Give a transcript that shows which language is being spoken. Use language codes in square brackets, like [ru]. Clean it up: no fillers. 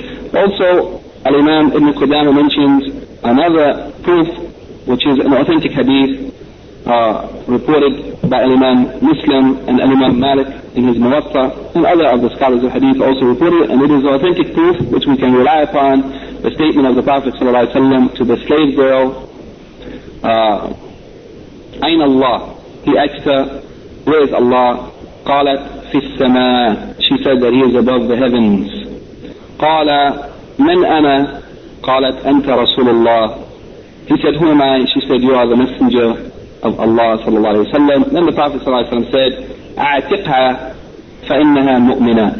[en] Also, Al-Imam Ibn Qudama mentions another proof, which is an authentic hadith reported by Al-Imam Muslim and Al-Imam Malik in his Muwatta, and other of the scholars of hadith also reported it, and it is authentic proof which we can rely upon. The statement of the Prophet ﷺ to the slave girl, Ayn Allah, he asked her, where is Allah? [ar] قالت في السماء, [en] she said that he is above the heavens. [ar] قال من أنا؟ قالت أنت رسول الله. [en] He said, who am I? She said, you are the messenger of Allah ﷺ. Then the Prophet ﷺ said, [ar] أعتقها فإنها مؤمنة.